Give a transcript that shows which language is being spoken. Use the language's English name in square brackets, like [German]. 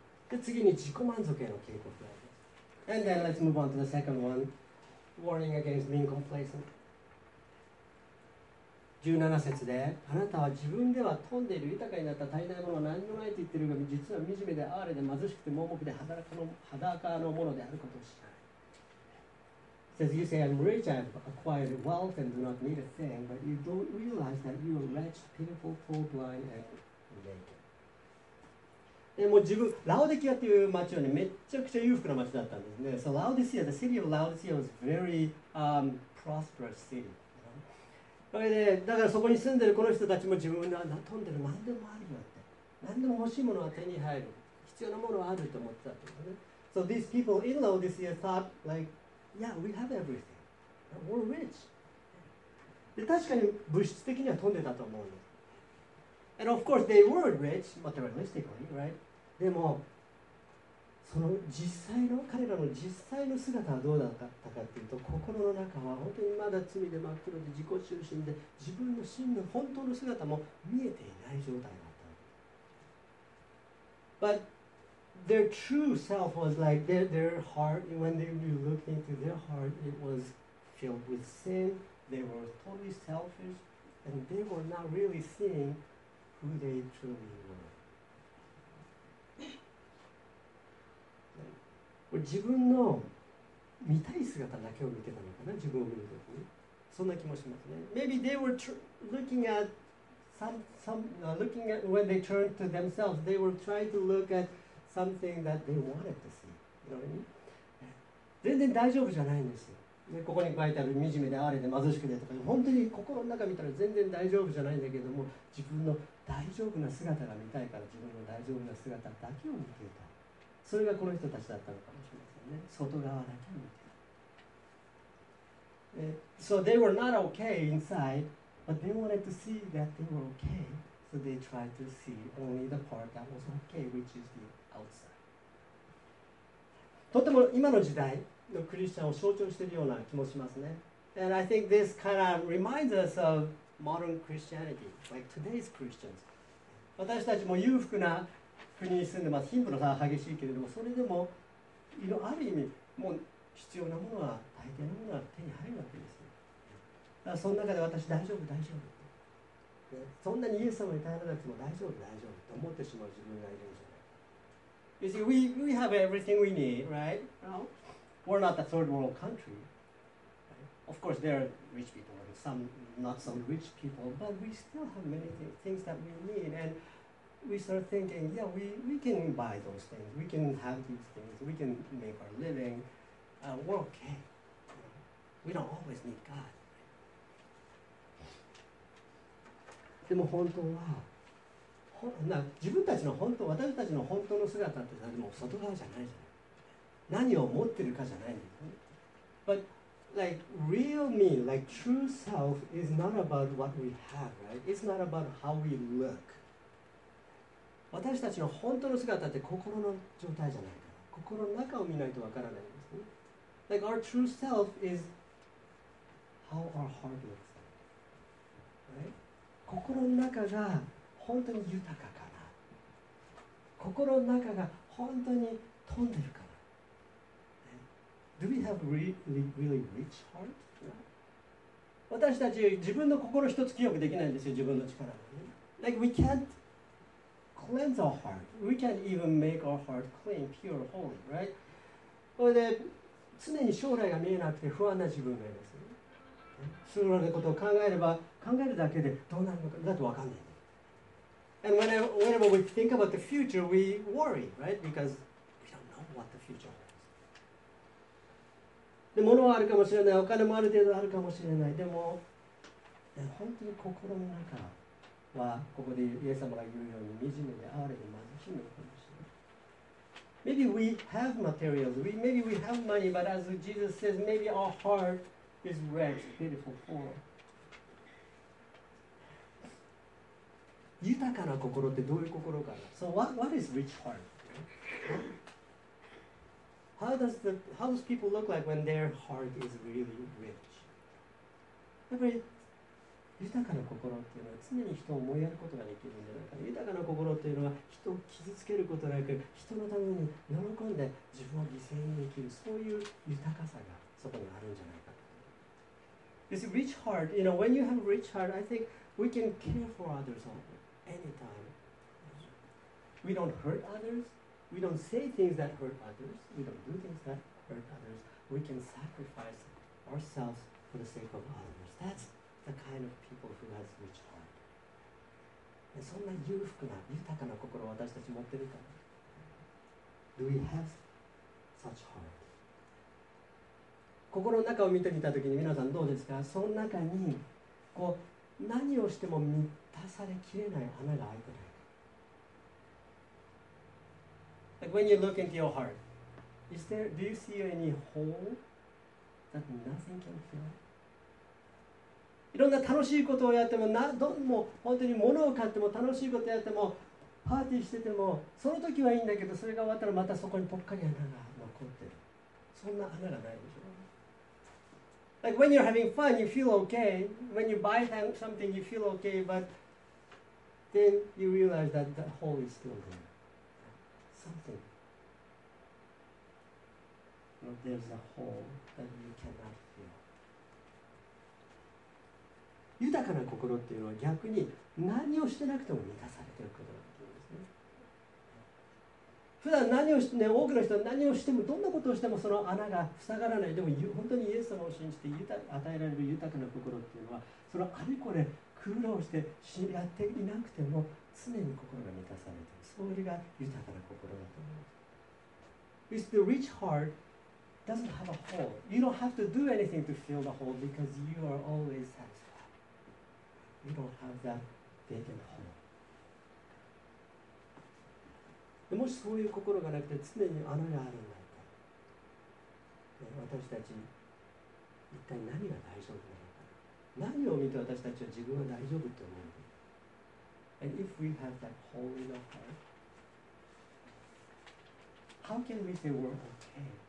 [Japanese] で、次に自己満足への警告。 [English] And then let's move on to the second one, warning against being complacent. [Japanese] 17節で、あなたは自分では富んでいる、豊かになった、足りないものは何もないと言っているが、実は惨めで哀れで貧しくて盲目で裸のものであることを知らない。 [English] It says, you say, I'm rich, I've acquired wealth and do not need a thing, but you don't realize that you are wretched, pitiful, poor, blind, and naked. [Japanese] もう自分、ラオデキアっていう町はね、めちゃくちゃ裕福な町だったんですね。 [English] So Laodicea, the city of Laodicea was very prosperous city. [Japanese] だからそこに住んでるこの人たちも自分は富んでる、何でもあるよって。何でも欲しいものは手に入る。必要なものはあると思ってたってことね。 [English] So these people in Laodicea thought like, yeah, we have everything. We're rich. [Japanese] で、確かに物質的には富んでたと思うの。 [English] And of course, they were rich materialistically, right? [Japanese] でも、その実際の彼らの実際の姿はどうだったかというと、心の中は本当にまだ罪で真っ黒で自己中心で、自分の真の本当の姿も見えていない状態だった。 [English] But their true self was like their heart. When they looked into their heart, it was filled with sin. They were totally selfish, and they were not really seeing. Who they truly were. [Japanese] 自分の見たい姿だけを見てたのかな、自分を見るときに。そんな気もしますね。 [English] Maybe they were looking at looking at when they turned to themselves, they were trying to look at something that they wanted to see. You know what I mean? [Japanese] 全然大丈夫じゃないんですよ。で、ここに書いてある惨めで哀れで貧しくてとか、本当に心の中見たら全然大丈夫じゃないんだけども、自分の大丈夫な姿が見たいから自分の大丈夫な姿だけを見ていた。それがこの人たちだったのかもしれませんね。外側だけを見ていた。 [English] So they were not okay inside, but they wanted to see that they were okay. So they tried to see only the part that was okay, which is the outside. [Japanese] とても今の時代のクリスチャンを象徴しているような気もしますね。 [English] And I think this kind of reminds us of modern Christianity, like today's Christians. [Japanese] 私たちも裕福な国に住んでます。貧富の差は激しいけれども、それでもある意味もう必要なものは、大抵のものは手に入るわけです。だからその中で私大丈夫大丈夫って、そんなにイエス様に頼らなくても大丈夫大丈夫って思ってしまう自分がいるんじゃない。 [English] You see, we have everything we need, right? We're not a third world country. Of course, there are rich people, and some not so rich people, but we still have many things that we need, and we start thinking, yeah, we can buy those things, we can have these things, we can make our living, we're okay. We don't always need God. [Japanese] でも本当は、自分たちの本当、私たちの本当の姿ってさ、でも外側じゃないじゃない。何を持ってるかじゃないんだよね。 [English] But like real me, like true self, is not about what we have, right? It's not about how we look. [Japanese] 私たちの本当の姿って心の状態じゃないから、心の中を見ないとわからないんですね。 [English] Like our true self is how our heart looks like, right? [Japanese] 心の中が本当に豊かかな、心の中が本当に富んでるかな、 [English] Do we have really, really rich heart? [Japanese] 私たち自分の心一つ清くできないんですよ、自分の力で。 [English] Like we can't cleanse our heart. We can't even make our heart clean, pure, holy, right? [Japanese] それで常に将来が見えなくて不安な自分がいます。将来のことを考えれば、考えるだけでどうなるのかだと分かんない。 [English] And whenever we think about the future, we worry, right? Because we don't know what the future holds. [Japanese] で、物はあるかもしれない、お金もある程度あるかもしれない。でも、本当に心の中は、ここでイエス様が言うように、惨めで哀れで貧しいのかもしれない。 [English] Maybe we have materials, maybe we have money, but as Jesus says, maybe our heart. Is rich, beautiful, poor. [Japanese] 豊かな心ってどういう心かな。 [English] So what is rich heart? How does people look like when their heart is really rich? [Japanese] やっぱり豊かな心っていうのは常に人を思いやることができるんじゃないかな。豊かな心っていうのは人を傷つけることなく、人のために喜んで自分を犠牲にできる、そういう豊かさがそこにあるんじゃないか。 [English] It's a rich heart. You know, when you have a rich heart, I think we can care for others anytime. We don't hurt others. We don't say things that hurt others. We don't do things that hurt others. We can sacrifice ourselves for the sake of others. That's the kind of people who has a rich heart. And [Japanese] そんな裕福な豊かな心を私たち持ってるか? [English] Do we have such heart? [Japanese] 心の中を見てみたときに皆さんどうですか。その中にこう何をしても満たされきれない穴が開いてない。 [English] Like when you look into your heart, is there, do you see any hole that nothing can fill? [Japanese] いろんな楽しいことをやっても、本当に物を買っても、楽しいことをやっても、パーティーしてても、その時はいいんだけど、それが終わったらまたそこにぽっかり穴が残ってる。そんな穴がないでしょ。 [English] Like when you're having fun, you feel okay. When you buy something, you feel okay. But then you realize that the hole is still there. Something. But there's a hole that you cannot fill. [Japanese] 豊かな心っていうのは逆に何をしてなくても満たされてることなんですね。普段何をして、ね、多くの人は何をしてもどんなことをしてもその穴が塞がらない。でも本当にイエス様を信じて与えられる豊かな心っていうのは、そのあれこれ苦労してやっていなくても常に心が満たされている、それが豊かな心だと思う。 [English] It's the rich heart doesn't have a hole. You don't have to do anything to fill the hole because you are always satisfied. You don't have that vacant hole. [Japanese] もしそういう心がなくて常に穴があるんだったら、私たち一体何が大丈夫なのか、何を見て私たちは自分は大丈夫と思うのか。 [English] And if we have that hole in our heart, how can we say we're okay?